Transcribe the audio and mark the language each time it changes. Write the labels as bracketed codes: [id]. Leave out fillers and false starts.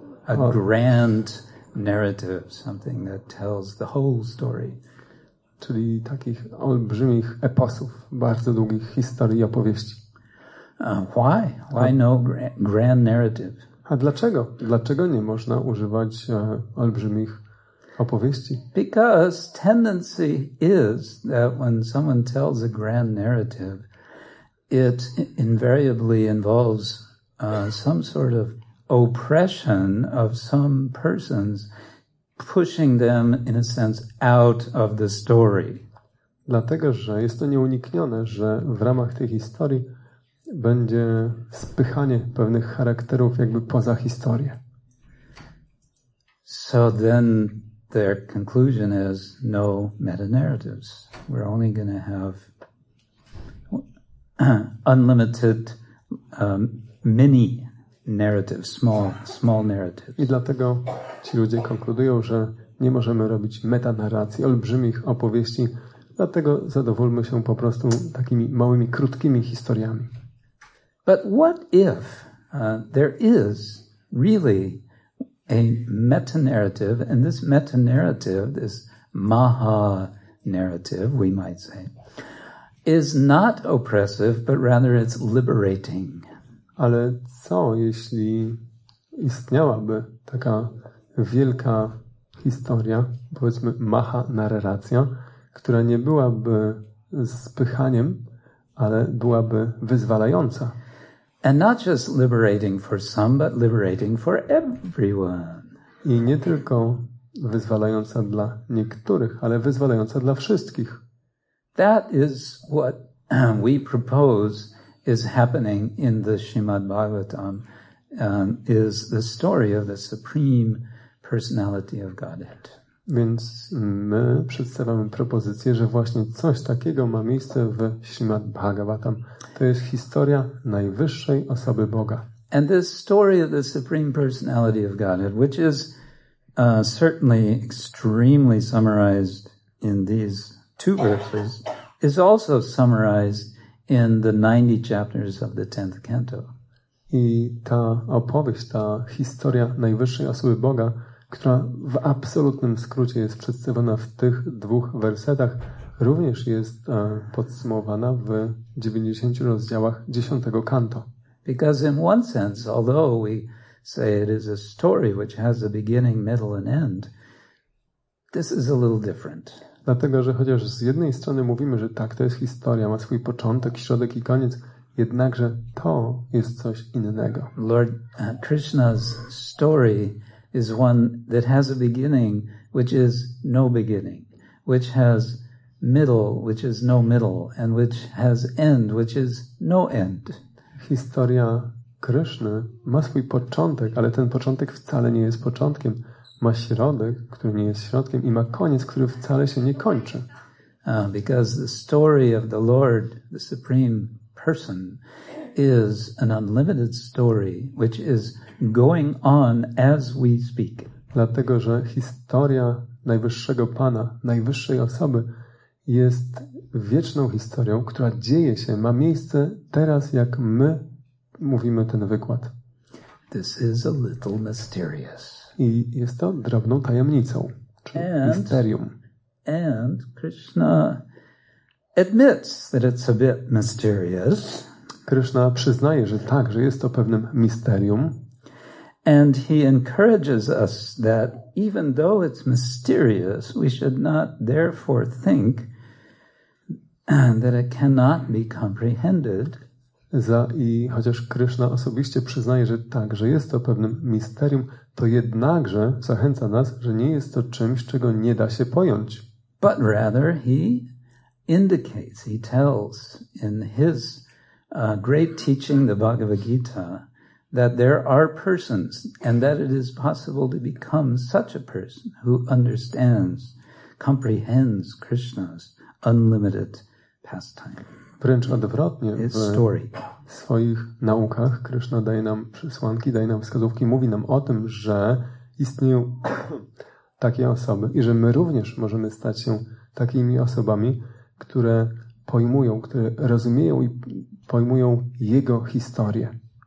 [en] grand narrative, something that tells the whole story. [pl] Czyli takich olbrzymich eposów, bardzo długich historii i opowieści. [en] Why? Why no grand narrative? [pl] A dlaczego? Dlaczego nie można używać olbrzymich opowieści? [en] Because tendency is that when someone tells a grand narrative, it invariably involves some sort of oppression of some persons, pushing them in a sense out of the story. [pl] Dlatego, że jest to nieuniknione, że w ramach tej historii będzie spychanie pewnych charakterów jakby poza historię. [en] So then their conclusion is no meta narratives. We're only going to have unlimited mini narratives, small narratives. [pl] I dlatego ci ludzie konkludują, że nie możemy robić meta narracji, olbrzymich opowieści, dlatego zadowólmy się po prostu takimi małymi, krótkimi historiami. [en] But what if there is really a meta-narrative, and this meta-narrative, this maha-narrative, we might say, is not oppressive, but rather it's liberating. [pl] Ale co, jeśli istniałaby taka wielka historia, powiedzmy maha-narracja, która nie byłaby spychaniem, ale byłaby wyzwalająca? [en] And not just liberating for some, but liberating for everyone. [pl] I nie tylko wyzwalająca dla niektórych, ale wyzwalająca dla wszystkich. [en] That is what we propose is happening in the Srimad Bhagavatam, is the story of the Supreme Personality of Godhead. [pl] Więc my przedstawiamy propozycję, że właśnie coś takiego ma miejsce w Śrimad Bhagavatam. To jest historia najwyższej osoby Boga. [en] And this story of the Supreme Personality of Godhead, which is certainly extremely summarized in these two verses, is also summarized in the 90 chapters of the 10th canto. [pl] I ta opowieść, ta historia najwyższej osoby Boga, która w absolutnym skrócie jest przedstawiona w tych dwóch wersetach, również jest podsumowana w 90 rozdziałach 10 kanto. [en] Because in one sense, although we say it is a story which has a beginning, middle and end, this is a little different. [pl] Dlatego, że chociaż z jednej strony mówimy, że tak, to jest historia, ma swój początek, środek i koniec, jednakże to jest coś innego. [en] Lord Krishna's story is one that has a beginning, which is no beginning, which has middle, which is no middle, and which has end, which is no end. [pl] Historia Kryszny ma swój początek, ale ten początek wcale nie jest początkiem. Ma środek, który nie jest środkiem, i ma koniec, który wcale się nie kończy. [en] Because the story of the Lord, the Supreme Person, is an unlimited story, which is going on as we speak. [pl] Dlatego, że historia Najwyższego Pana, Najwyższej Osoby, jest wieczną historią, która dzieje się, ma miejsce teraz, jak my mówimy ten wykład. [en] This is a little mysterious. [pl] I jest to drobną tajemnicą, czy misterium. [en] And Krishna admits that it's a bit mysterious. [pl] Krishna przyznaje, że tak, że jest to pewnym misterium. [en] And he encourages us that even though it's mysterious, we should not therefore think that it cannot be comprehended. [pl] I chociaż Krishna osobiście przyznaje, że tak, że jest to pewnym misterium, to jednakże zachęca nas, że nie jest to czymś, czego nie da się pojąć. [en] But rather he indicates, he tells in his great teaching, the Bhagavad Gita, that there are persons and that it is possible to become such a person who understands, comprehends Krishna's unlimited pastime. [pl] Wręcz odwrotnie, w swoich naukach Krishna daje nam przesłanki, daje nam wskazówki, mówi nam o tym, że istnieją takie osoby i że my również możemy stać się takimi osobami, które pojmują, które rozumieją i pojmują jego historię.